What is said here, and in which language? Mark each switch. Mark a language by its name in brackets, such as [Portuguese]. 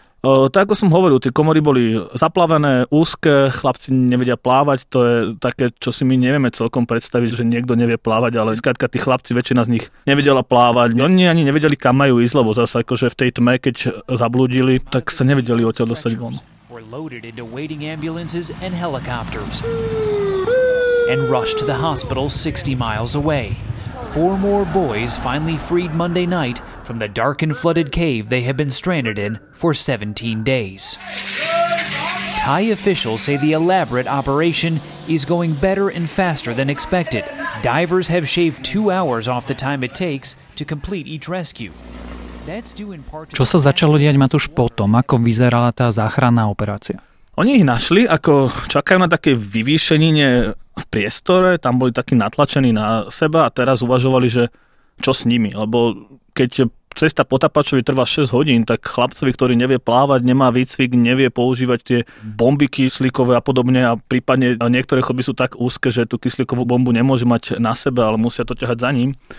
[Slovak] Tak ako som hovoril, tie komory boli zaplavené, úzke, chlapci nevedia plávať, to je také, čo si my nevieme celkom predstaviť, že niekto nevie plávať, ale skrátka tí chlapci, väčšina z nich nevedela plávať. Oni ani nevedeli, kam majú ísť, lebo zase akože v tej tme, keď zablúdili, tak sa nevedeli odtiaľ dostať von. [English] Were loaded into waiting ambulances and helicopters and rushed to the hospital 60 miles away. Four more boys finally freed Monday night from the dark and flooded cave they had been stranded in for 17 days. Thai officials say the elaborate operation is going better and faster than expected. Divers have shaved 2 hours off the time it takes to complete each rescue. [Slovak] Čo sa začalo diať, Matúš, potom? Ako vyzerala tá záchranná operácia? Oni ich našli, ako čakajú na také vyvýšenine v priestore, tam boli takí natlačení na seba a teraz uvažovali, že čo s nimi. Lebo keď cesta potapačovi trvá 6 hodín, tak chlapcovi, ktorý nevie plávať, nemá výcvik, nevie používať tie bomby kyslíkové a podobne, a prípadne niektoré chodby sú tak úzke, že tú kyslíkovú bombu nemôže mať na sebe, ale musia to ťahať za ním.